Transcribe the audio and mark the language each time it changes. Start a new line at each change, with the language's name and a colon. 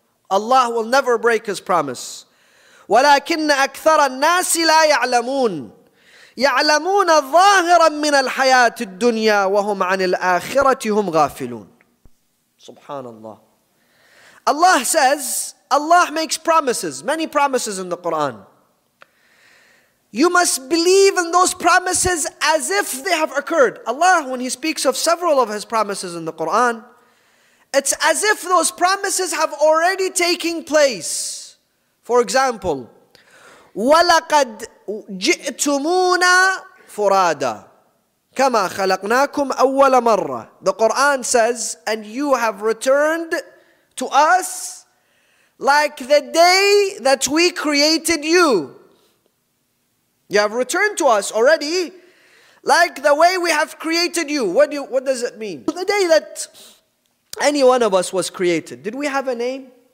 English: Allah will never break his promise.
Arabic: ولكن أكثر الناس لا يعلمون. يعلمون ظاهرا من الحياة الدنيا وهم عن الآخرة هم غافلون. سبحان الله.
English: Allah says, Allah makes promises, many promises in the Quran. You must believe in those promises as if they have occurred. Allah, when He speaks of several of His promises in the Quran, it's as if those promises have already taken place. For example,
Arabic: وَلَقَدْ جِئْتُمُونَا فُرَادًا كَمَا خَلَقْنَاكُمْ أَوَّلَ مَرَّةً.
English: The Quran says, and you have returned to us like the day that we created you. You have returned to us already like the way we have created you. What does it mean? The day that any one of us was created, did we have a name?